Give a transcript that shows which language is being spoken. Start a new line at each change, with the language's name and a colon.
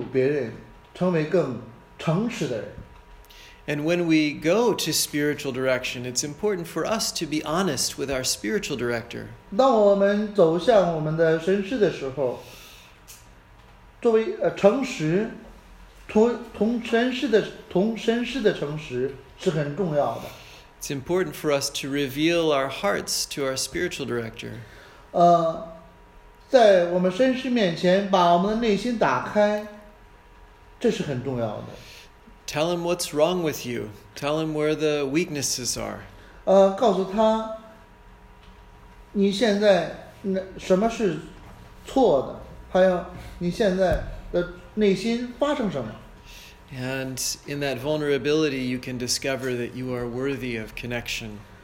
Chinese: 在灵修指导当中，我们帮助别人成为更诚实的人。
English: And when we go to spiritual direction, it's important for us to be honest with our spiritual director.
Chinese: 当我们走向我们的神师的时候，作为诚实，同神师的诚实是很重要的。
English: It's important for us to reveal our hearts to our spiritual director.
Chinese: 在我们身世面前把我们的内心打开, 这是很重要的。
English: Tell him what's wrong with you. Tell him where the weaknesses are.
Chinese: 告诉他, 你现在什么是错的, 还有你现在的内心发生什么。
English: And in that vulnerability, you can discover that you are worthy of connection.